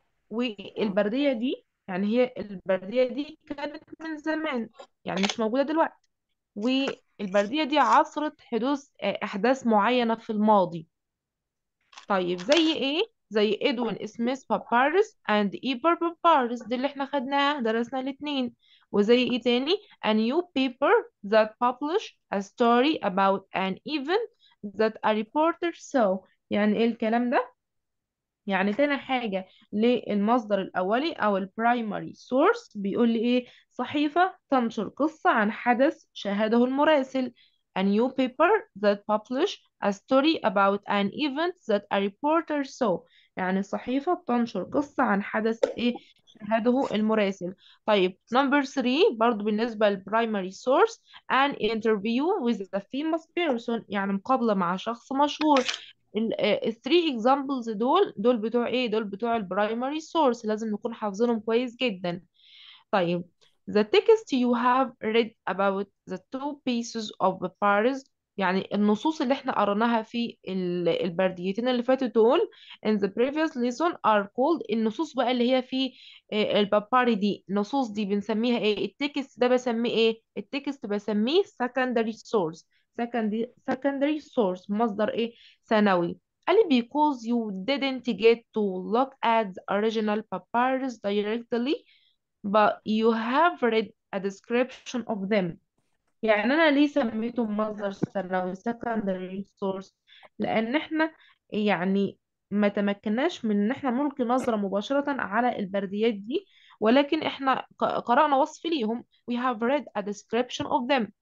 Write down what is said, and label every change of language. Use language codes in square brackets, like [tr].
[ar] والبردية دي يعني هي البردية دي كانت من زمان، يعني مش موجودة دلوقتي، والبردية دي عصرت حدوث أحداث معينة في الماضي. طيب زي إيه؟ زي إدوين سميث بابارس أند إيبر بابارس، دي اللي إحنا خدناها درسنا الاتنين. وزي إيه تاني؟ [en] A new paper that published a story about an event that a reporter saw. [ar] يعني إيه الكلام ده؟ يعني تاني حاجة للمصدر الأولي أو البرايمري سورس بيقول لي إيه؟ صحيفة تنشر قصة عن حدث شاهده المراسل. [en] A new paper that published a story about an event that a reporter saw. [ar] يعني صحيفة بتنشر قصة عن حدث إيه؟ شاهده المراسل. طيب number three برضو بالنسبة للبرايمري سورس، [en] an interview with a famous person، [ar] يعني مقابلة مع شخص مشهور. ال three examples دول بتوع ايه؟ دول بتوع البرايمري سورس، لازم نكون حافظينهم كويس جدا. طيب [en] the text you have read about the two pieces of papyrus، [ar] يعني النصوص اللي احنا قرناها في البرديتين اللي فاتوا دول [en] in the previous lesson are called، [ar] النصوص بقى اللي هي في البابار دي، النصوص دي بنسميها ايه؟ التكست ده بسميه ايه؟ التكست بسميه secondary source. Secondary source مصدر ايه؟ ثانوي. قال [en] because you didn't get to look at the original papyrus directly but you have read a description of them. [ar] يعني انا ليه سميته مصدر ثانوي secondary source؟ لان احنا يعني ما تمكناش من ان احنا نلقي نظرة مباشرة على البرديات دي، ولكن احنا قرأنا وصف ليهم [en] we have read a description of them.